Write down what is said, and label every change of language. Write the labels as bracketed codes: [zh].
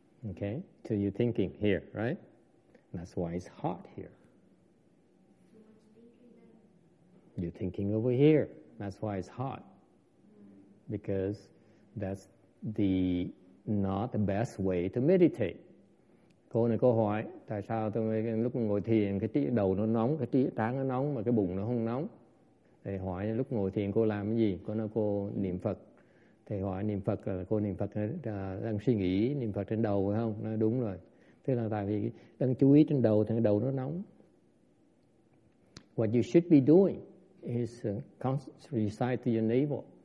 [en] Okay. So you're thinking here, right? That's why it's hot here. You're thinking over here. That's why it's hot. Because that's the not the best way to meditate. [vi] Cô này cô hỏi tại sao tôi lúc ngồi thiền cái trí đầu nó nóng, cái trí trán nó nóng mà cái bụng nó không nóng. Thầy hỏi lúc ngồi thiền cô làm cái gì? Cô nói cô niệm Phật. Thầy hỏi niệm Phật là cô niệm Phật đang suy nghĩ niệm Phật trên đầu phải không? Nói đúng rồi. Thế là tại vì đang chú ý trên đầu thì cái đầu nó nóng. [en] What you should be doing is constantly recite to your navel.